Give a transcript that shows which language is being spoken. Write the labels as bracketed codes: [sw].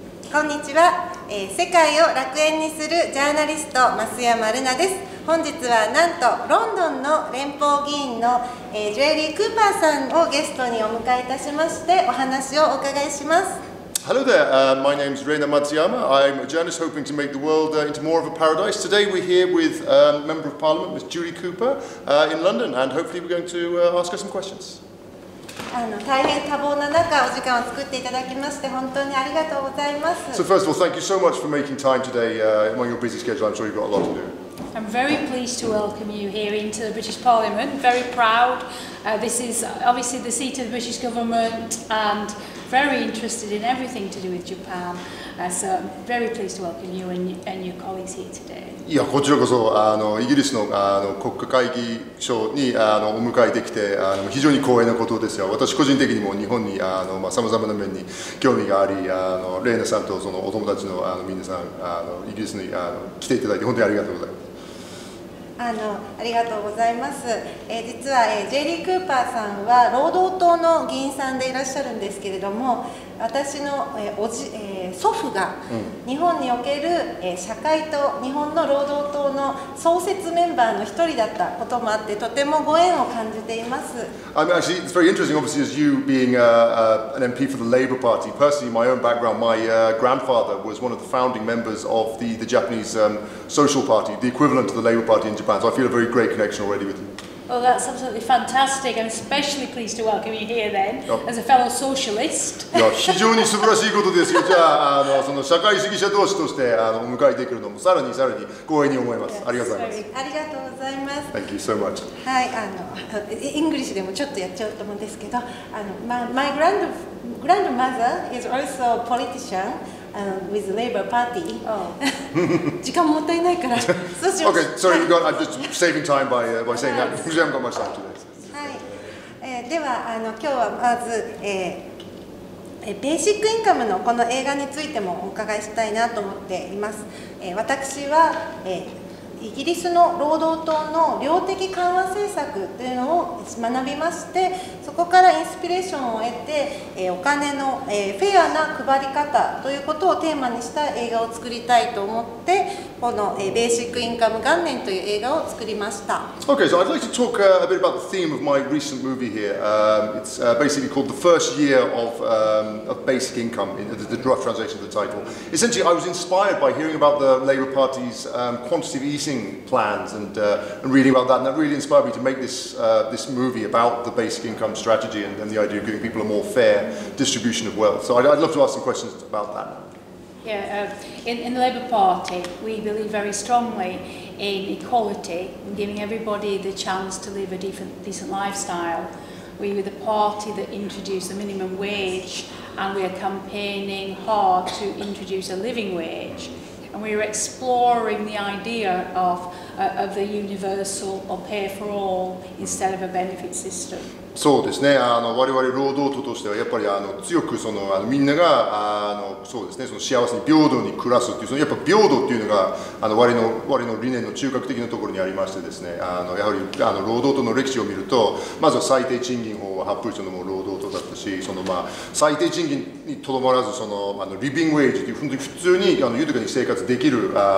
[ja] こんにちは、世界を楽園にするジャーナリスト、増山瑠奈です。本日はなんとロンドンの連邦議員の、ジュエリー・クーパーさんをゲストにお迎えいたしましてお話をお伺いします。 [en] Hello there, my name is Reina Matsuyama. I'm a journalist hoping to make the world into more of a paradise. Today we're here with Member of Parliament, Ms. Julie Cooper, in London, and hopefully we're going to ask her some questions. [ja] 大変多忙な中お時間を作っていただきまして本当にありがとうございます。 [en] So first of all, thank you so much for making time today among your busy schedule. I'm sure you've got a lot to do. I'm very pleased to welcome you here into the British Parliament. Very proud. This is obviously the seat of the British government and very interested in everything to do with Japan. So I'm very pleased to welcome you and your colleagues here today. [ja] いや、こちらこそイギリスの国家会議所にお迎えできて非常に光栄なことですよ。私個人的にも日本にさまざまな面に興味があり、レイナさんとそのお友達の皆さん、イギリスに来ていただいて本当にありがとうございます。ありがとうございます。実は、ジェリー・クーパーさんは労働党の議員さんでいらっしゃるんですけれども、私の、祖父が日本における、社会党、日本の労働党の創設メンバーの一人だったこともあって、とてもご縁を感じています。 [en] I mean, actually, it's very interesting, obviously, as you being an MP for the Labour Party. Personally, my own background, my grandfather was one of the founding members of the Japanese Social Party, the equivalent to the Labour Party in Japan. So I feel a very great connection already with him. Oh, that's absolutely fantastic. I'm especially pleased to welcome you here then, as a fellow socialist. [ja] Yeah, 非常に素晴らしいことですよ。じゃあ、その社会主義者同士としてお迎えできるのもさらにさらに光栄に思います。ありがとうございます。ありがとうございます。 [en] Thank you so much. [ja] はい、イングリッシュでもちょっとやっちゃうと思うんですけど、 [en] my grandmother is also a politician. With the Labour Party. Oh. [ja] 時間もったいないから。 [en] Okay, sorry, I'm just saving time by saying that. We haven't got much time today. [ja] はい。では今日はまず、ベーシックインカムのこの映画についてもお伺いしたいなと思っています。私は、イギリスの労働党の量的緩和政策というのを学びまして、そこからインスピレーションを得て、お金の、フェアな配り方ということをテーマにした映画を作りたいと思って、この、ベーシックインカム元年という映画を作りました。 [en] Okay, so I'd like to talk a bit about the theme of my recent movie here. It's basically called The First Year of Basic Income, the rough translation of the title. Essentially, I was inspired by hearing about the Labour Party's quantitative easing plans and reading about that, and that really inspired me to make this, this movie about the basic income strategy and the idea of giving people a more fair distribution of wealth. So I'd love to ask some questions about that. Yeah, in the Labour Party, we believe very strongly in equality, in giving everybody the chance to live a decent lifestyle. We were the party that introduced the minimum wage, and we are campaigning hard to introduce a living wage. And we are exploring the idea of the universal or pay for all instead of a benefit system. [ja] そうですね。我々労働党としてはやっぱり強くみんながそうですね、その幸せに平等に暮らすっていう、そのやっぱ平等っていうのが我々の理念の中核的なところにありましてですね、やはり労働党の歴史を見ると、まずは最低賃金法は発布したのも労働党だったし、その、まあ、最低賃金にとどまらず、そのリビングウェイジという、本当に普通に豊かに生活できる報